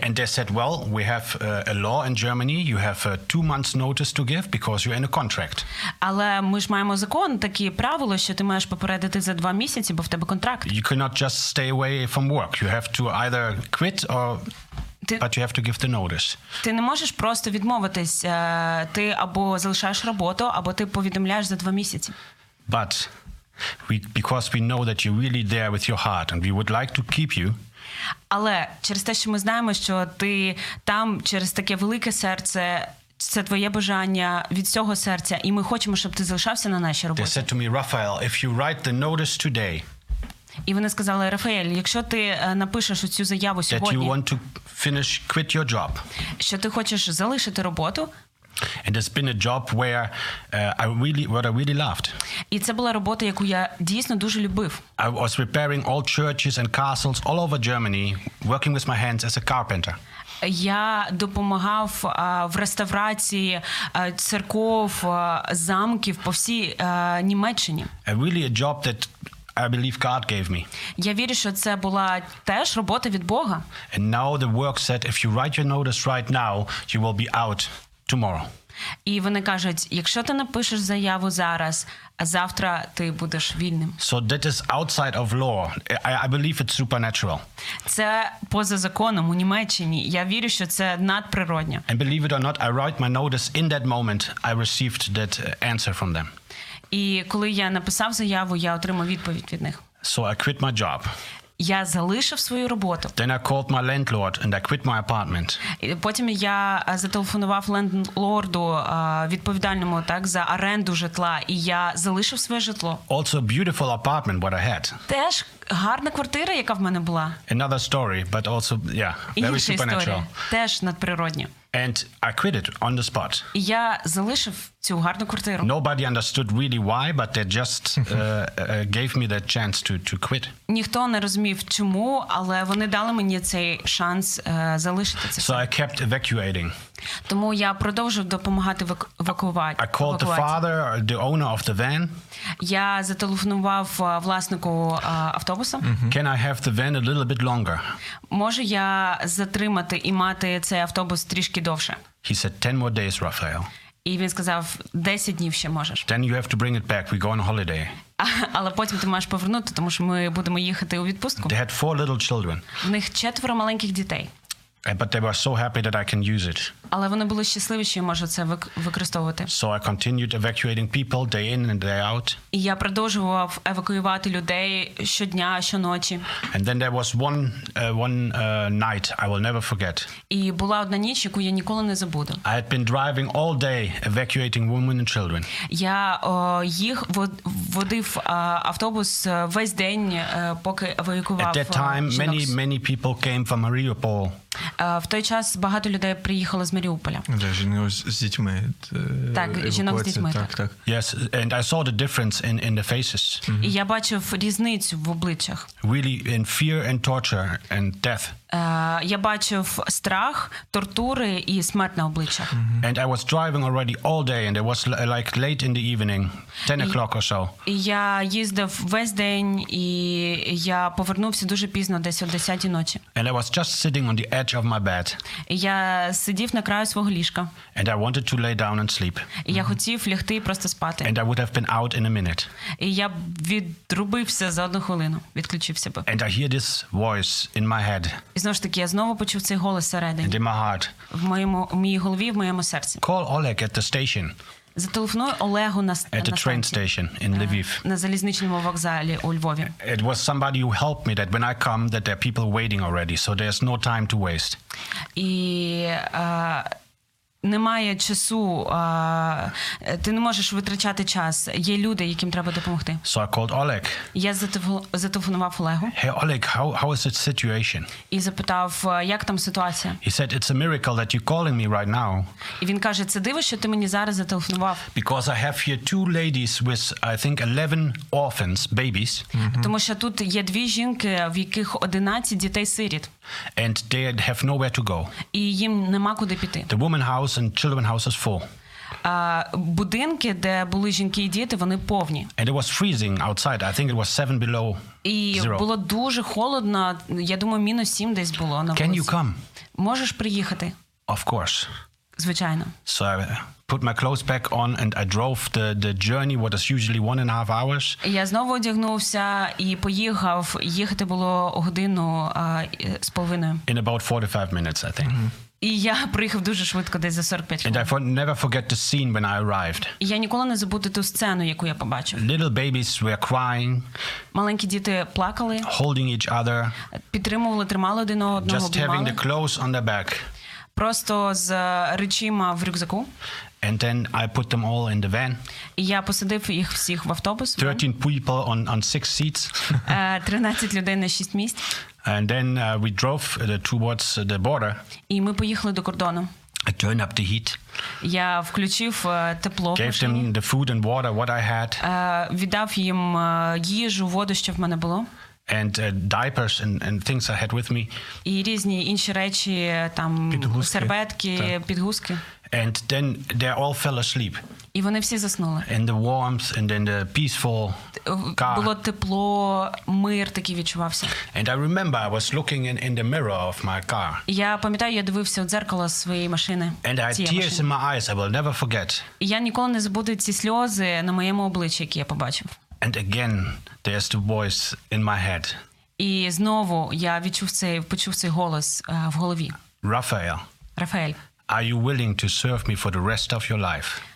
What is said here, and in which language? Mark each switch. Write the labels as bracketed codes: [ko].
[en] And they said, "Well, we have a law in Germany. You have 2 months notice to give because you're in a contract." [uk] Але ми ж маємо закон, такі правила, що ти маєш попередити за 2 місяці, бо в тебе контракт. [en] You cannot just stay away from work. You have to either quit or but you have to give the notice. [uk] Ти не можеш просто відмовитись. Ти або залишаєш роботу, або ти повідомляєш за 2 місяці. [en] But because we know that you're really there with your heart, and we would like to keep you. [uk] Але через те, що ми знаємо, що ти там через таке велике серце, це твоє бажання від цього серця, і ми хочемо, щоб ти залишався на нашій роботі. [en] They said to me, Raphael, if you write the notice today, [uk] і вони сказали, Рафаель, якщо ти напишеш оцю заяву сьогодні, [en] that you want to finish, quit your job, [uk] що ти хочеш залишити роботу, [en] and it's been a job where I really loved. [uk] І це була робота, яку я дійсно дуже любив. [en] I was repairing all churches and castles all over Germany, working with my hands as a carpenter. [uk] Я допомагав в реставрації церков, замків по всій Німеччині. [en] Really a job that I believe God gave me. [uk] Я вірю, що це була теж робота від Бога. [en] And now the work said, if you write your notice right now, you will be out tomorrow. [uk] І вони кажуть, якщо ти напишеш заяву зараз, а завтра ти будеш вільним. [en] So that is outside of law. I believe it's supernatural. [uk] Це поза законом у Німеччині. Я вірю, що це надприродне. [en] And believe it or not, I write my notice in that moment, I received that answer from them. [uk] І коли я написав заяву, я отримав відповідь від них. [en] So I quit my job. [uk] Я залишив свою роботу. [en] Then I called my landlord and I quit my apartment. [uk] І потім я зателефонував лендлорду, відповідальному, так, за оренду житла, і я залишив своє житло. [en] Also beautiful apartment what I had. [uk] Теж гарна квартира, яка в мене була. [en] Another story, but also, yeah, very supernatural. [uk] Інша історія, теж надприродня. [en] And I quit it on the spot. [uk] І я залишив цю гарну квартиру. [en] Nobody understood really why, but they just gave me that chance to quit. [uk] Ніхто не розумів чому, але вони дали мені цей шанс залишити це. [en] So I kept evacuating. [uk] Тому я продовжив допомагати евакуювати. [en] I called the father, the owner of the van. [uk] Я зателефонував власнику автобуса. Mm-hmm. [en] Can I have the van a little bit longer? [uk] Можу я затримати і мати цей автобус трішки довше? [en] He said 10 more days, Raphael. [uk] І він сказав, 10 днів ще можеш. [en] Then you have to bring it back. We go on holiday. [uk] Але потім ти маєш повернути, тому що ми будемо їхати у відпустку. [en] They had 4 little children. [uk] У них четверо маленьких дітей. [en] But they were so happy that I can use it. [uk] Але вони були щасливі, що я можу це використовувати. [en] So I continued evacuating people day in and day out. [uk] І я продовжував евакуювати людей щодня, щоночі. [en] And then there was one night I will never forget. [uk] І була одна ніч, яку я ніколи не забуду. [en] I had been driving all day evacuating women and children. [uk] Я водив автобус весь день, поки евакуював. [en] At that time many people came from Mariupol. [uk] В той час багато людей приїхало з Маріуполя. Да, жінок з дітьми. Так, жінок з дітьми. Так. [en] Yes, and I saw the difference in the faces. [uk] І я бачив різницю в обличчях. [en] Really in fear and torture and death. [uk] Я бачив страх, тортури і смерть на обличчях. [en] And I was driving already all day and it was like late in the evening, 10 o'clock or so. [uk] І я їздив весь день і я повернувся дуже пізно, десь о 10-й ночі. [en] And I was just sitting on the edge of my bed. [uk] Я сидів на краю свого ліжка. [en] And I wanted to lay down and sleep. [uk] І я хотів лягти і просто спати. [en] And I would have been out in a minute. [uk] І я відрубився за одну хвилину, відключився би. [en] And I hear this voice in my head. [uk] І знову ж таки, я знову почув цей голос всередині. [en] And in my heart. [uk] В моїй голові, в моєму серці. [en] Call Oleg at the station. [uk] Зателефонуй Олегу на станції. [en] At the train station in Lviv. [uk] На залізничному вокзалі у Львові. [en] It was somebody who helped me that when I come that there are people waiting already, so there's no time to waste. [uk] І немає часу, ти не можеш витрачати час. Є люди, яким треба допомогти. [en] So I called Oleg. [uk] Я зателефонував Олегу. [en] Hey Oleg, how is the situation? [uk] І запитав, як там ситуація? [en] He said it's a miracle that you're calling me right now. [uk] І він каже, це диво, що ти мені зараз зателефонував. [en] Because I have here two ladies with I think 11 orphans, babies. [uk] Тому що тут є дві жінки, в яких 11 дітей-сиріт. [en] And they have nowhere to go. [uk] І їм нема куди піти. [en] The woman house and children house is full. [uk] Будинки, де були жінки і діти, вони повні. [en] And it was freezing outside. I think it was 7 below zero. [uk] І було дуже холодно. Я думаю, мінус 7 десь було. [en] На Can you come? [uk] Можеш приїхати? [en] Of course. [uk] Звичайно. [en] So I put my clothes back on and I drove the journey, what is usually 1.5 hours. [uk] Я знову одягнувся і поїхав. Їхати було годину з половиною. [en] In about 45 minutes, I think. Mm-hmm. [uk] І я приїхав дуже швидко, десь за 45 хвилин. [en] And I never forget the scene when I arrived. [uk] Я ніколи не забуду ту сцену, яку я побачив. [en] Little babies were crying. [uk] Маленькі діти плакали. [en] Holding each other. [uk] Підтримували, тримали один одного, обіймали. [en] Just having the clothes on their back. [uk] Просто з речима в рюкзаку. [en] And then I put them all in the van. [uk] І я посадив їх всіх в автобус. [en] 13 people on 6 seats. [uk] 13 людей на 6 місць. [en] And then we drove towards the border. [uk] І ми поїхали до кордону. [en] I turned up the heat. [uk] Я включив тепло. [en] Gave them the food and water, what I had. [uk] Віддав їм їжу, воду, що в мене було. [en] And diapers and things I had with me. [uk] І різні інші речі, там, серветки, підгузки. [en] And then they all fell asleep. [uk] І вони всі заснули. [en] And the warmth and then the peaceful car. [uk] Було тепло, мир такий відчувався. [en] And I remember I was looking in the mirror of my car. [uk] Я пам'ятаю, я дивився у дзеркало своєї машини. [en] And I had tears in my eyes, I will never forget. [uk] Я ніколи не забуду ці сльози на моєму обличчі, які я побачив. [en] And again, there's the voice in my head. [uk] І знову я відчув цей, почув цей голос в голові. [en] Rafael. [uk] Rafael. [en] Are you willing to serve me for the rest of your life?